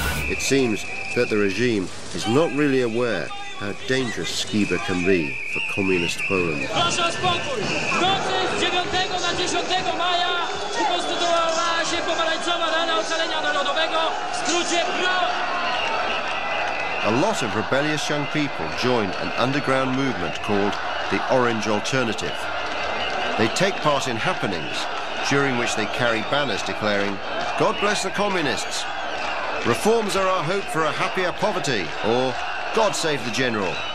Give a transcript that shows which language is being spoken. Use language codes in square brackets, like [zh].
[en] It seems that the regime is not really aware how dangerous Skiba can be for communist Poland. [pl] Proszę o spokój! W nocy z 9 na 10 maja ukonstytuowała się pomarańczowa rada ocalenia narodowego, w skrócie PRO! [en] A lot of rebellious young people joined an underground movement called the Orange Alternative. They take part in happenings during which they carry banners declaring, God bless the communists, reforms are our hope for a happier poverty, or God save the general.